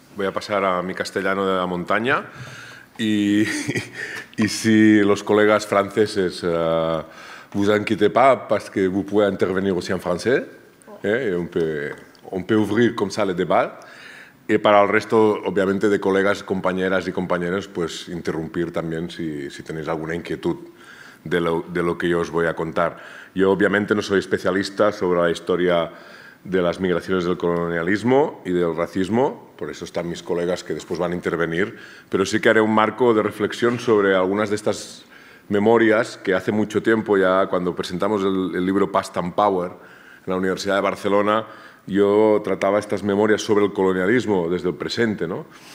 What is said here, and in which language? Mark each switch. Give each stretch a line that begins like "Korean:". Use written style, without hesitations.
Spanish: Voy a pasar a mi castellano de la montaña. I si los colegas franceses
French: vous inquiétez pas parce que vous pouvez intervenir aussi en français, on peut ouvrir comme ça le débat.
Spanish: Y para el resto, obviamente, de colegas, compañeras y compañeros, pues interrumpir también si tenéis alguna inquietud de lo que yo os voy a contar. Yo, obviamente, no soy especialista sobre la historia de las migraciones del colonialismo y del racismo, por eso están mis colegas que después van a intervenir, pero sí que haré un marco de reflexión sobre algunas de estas memorias que hace mucho tiempo ya, cuando presentamos el libro Past and Power en la Universidad de Barcelona, yo trataba estas memorias sobre el colonialismo desde el presente, ¿no?